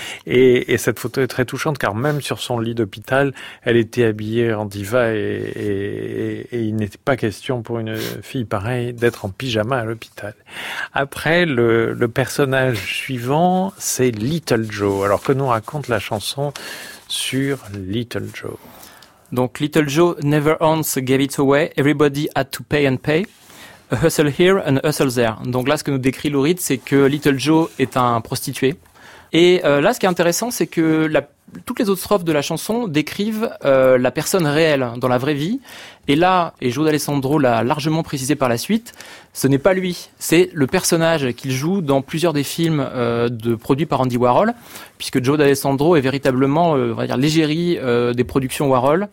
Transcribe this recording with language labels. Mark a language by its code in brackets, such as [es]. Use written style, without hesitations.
[fr] Et cette photo est très touchante, car même sur son lit d'hôpital, elle était habillée en diva, et il n'était pas question pour une fille pareille d'être en pyjama à l'hôpital. Après, le personnage suivant, c'est Little Joe. Alors, que nous raconte la chanson sur Little Joe? [en] Donc, Little Joe never once gave it away. Everybody had to pay and pay. A hustle here, and a hustle there. [fr] Donc là, ce que nous décrit Lou Reed, c'est que Little Joe est un prostitué. Et là, ce qui est intéressant, c'est que toutes les autres strophes de la chanson décrivent la personne réelle dans la vraie vie. Et là, et Joe D'Alessandro l'a largement précisé par la suite, ce n'est pas lui, c'est le personnage qu'il joue dans plusieurs des films produits par Andy Warhol, puisque Joe D'Alessandro est véritablement l'égérie des productions Warhol.